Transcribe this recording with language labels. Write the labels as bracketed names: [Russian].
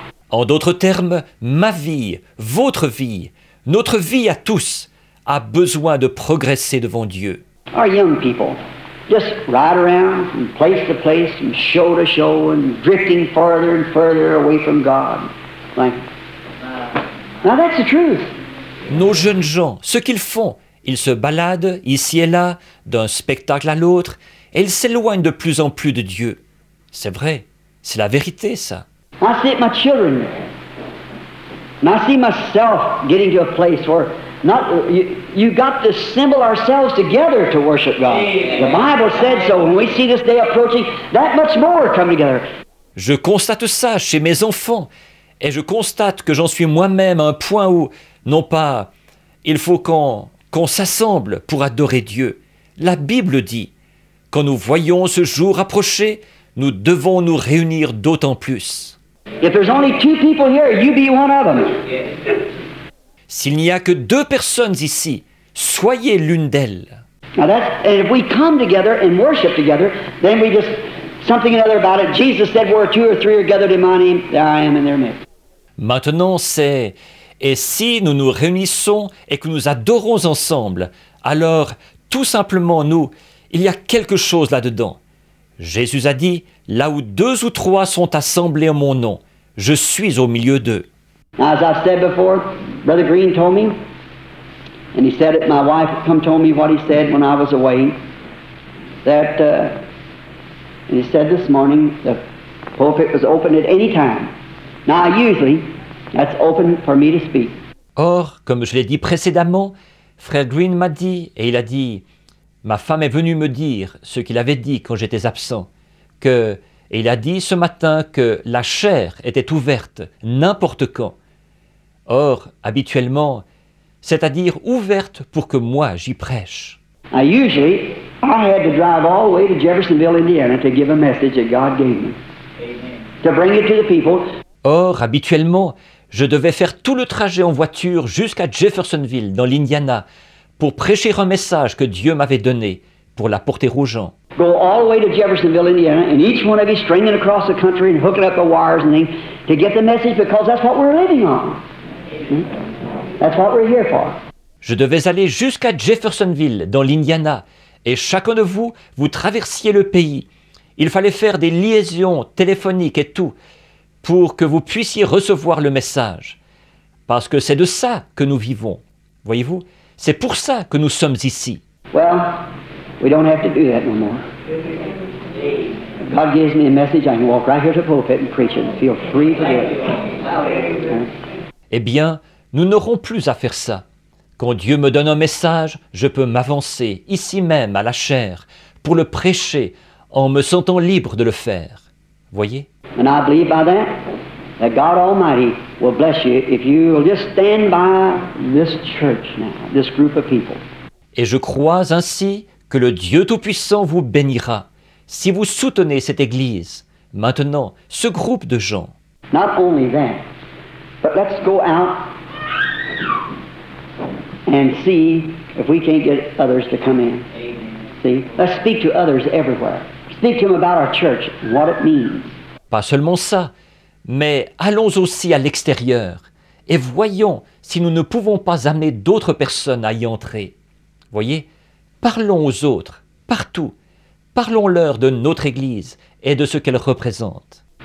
[French] En d'autres termes, ma vie, votre vie, notre vie à tous a besoin de progresser devant Dieu. [English] Our young people, just ride around from place to place and show to show and drifting farther and further away from God. Like, now that's the truth. [French] Nos jeunes gens, ce qu'ils font, ils se baladent ici et là, d'un spectacle à l'autre, et ils s'éloignent de plus en plus de Dieu. C'est vrai, c'est la vérité, ça. [English] I see my children. And I see myself getting to a place where not you got to assemble ourselves together to worship God. The Bible said so. When we see this day approaching, that much more come together. [French] Je constate ça chez mes enfants, et je constate que j'en suis moi-même à un point où, non pas, il faut qu'on s'assemble pour adorer Dieu. La Bible dit, quand nous voyons ce jour approcher, nous devons nous réunir d'autant plus. [English] If there's only two people here, you be one of them. [French] S'il n'y a que deux personnes ici, soyez l'une d'elles. [English] Now that's, and if we come together and worship together, then we just, something or another about it, Jesus said, where two or three are gathered in my name, there I am in their midst. [French] Maintenant c'est, et si nous nous réunissons et que nous adorons ensemble, alors tout simplement nous, il y a quelque chose là-dedans. Jésus a dit, là où deux ou trois sont assemblés en mon nom, je suis au milieu d'eux. [English] As I said before, Brother Green told me, and he said it, my wife come told me what he said when I was away, that, and he said this morning, the pulpit was open at any time. Now usually, that's open for me to speak. [French] Or, comme je l'ai dit précédemment, Frère Green m'a dit, et il a dit, ma femme est venue me dire ce qu'il avait dit quand j'étais absent, que, et il a dit ce matin que la chaire était ouverte n'importe quand. Or, habituellement, c'est-à-dire ouverte pour que moi j'y prêche. [English] Usually, I had to drive all the way to Jeffersonville, Indiana, to give a message that God gave me. To bring it to the people. [French] Or, habituellement, je devais faire tout le trajet en voiture jusqu'à Jeffersonville, dans l'Indiana, pour prêcher un message que Dieu m'avait donné, pour l'apporter aux gens. [English] Go all the way to Jeffersonville, Indiana, and each one of you stringing across the country and hooking up the wires and things to get the message because that's what we're living on. That's what we're here for. [French] Je devais aller jusqu'à Jeffersonville, dans l'Indiana, et chacun de vous, vous traversiez le pays. Il fallait faire des liaisons téléphoniques et tout, pour que vous puissiez recevoir le message. Parce que c'est de ça que nous vivons. Voyez-vous, c'est pour ça que nous sommes ici. [English] Well, we don't have to do that no more. God gives me a message, I can walk right here to the pulpit and preach it and feel free to do it. [French] Eh bien, nous n'aurons plus à faire ça. Quand Dieu me donne un message, je peux m'avancer, ici même, à la chair, pour le prêcher, en me sentant libre de le faire. Voyez? [English] And I believe by that, that God Almighty will bless you if you will just stand by this church now, this group of people. [French] Et je crois ainsi que le Dieu Tout-Puissant vous bénira si vous soutenez cette église, maintenant, ce groupe de gens. [English] Not only that, but let's go out and see if we can't get others to come in. Amen. See? Let's speak to others everywhere. Speak to them about our church, what it means. [French] Pas seulement ça, mais allons aussi à l'extérieur et voyons si nous ne pouvons pas amener d'autres personnes à y entrer. Voyez, parlons aux autres, partout. Parlons-leur de notre Église et de ce qu'elle représente.